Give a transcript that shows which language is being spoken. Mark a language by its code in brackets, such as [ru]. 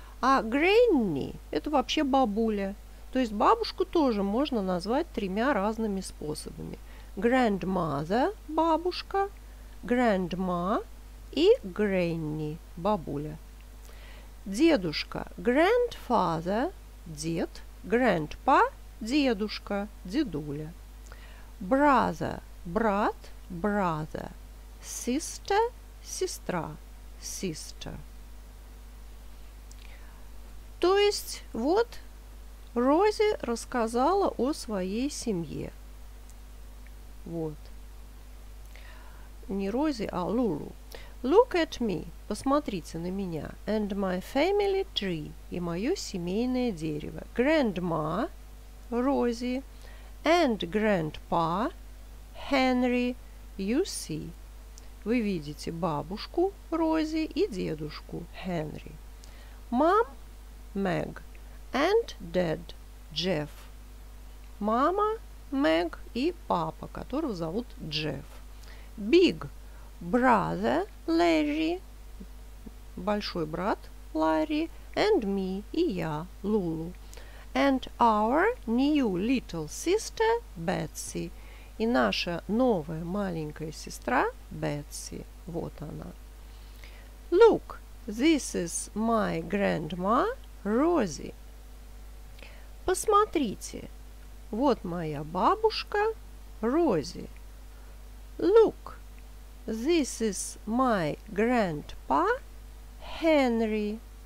[ru] А granny – это вообще бабуля. То есть бабушку тоже можно назвать тремя разными способами. Grandmother – бабушка, grandma и granny – бабуля. Дедушка – grandfather – дед, grandpa – дедушка, дедуля. [en] Brother – брат, brother. Sister, сестра, sister. [ru] То есть, вот Рози рассказала о своей семье. Вот. Не Рози, а Лулу. [en] Look at me. [ru] Посмотрите на меня. [en] And my family tree. [ru] И мое семейное дерево. Grandma. Рози. [en] And grandpa. Henry. You see. [ru] Вы видите бабушку Рози и дедушку Henry. [en] Mom. Meg. And dad. Jeff. [ru] Мама Мэг и папа, которого зовут Джефф. [en] Big brother Larry, [ru] большой брат Ларри, [en] and me, [ru] и я, Лулу. [en] And our new little sister Betsy, [ru] и наша новая маленькая сестра Betsy, вот она. [en] Look, this is my grandma Rosie. [ru] Посмотрите. Вот моя бабушка Рози. [en] Look, this is my grandpa Henry.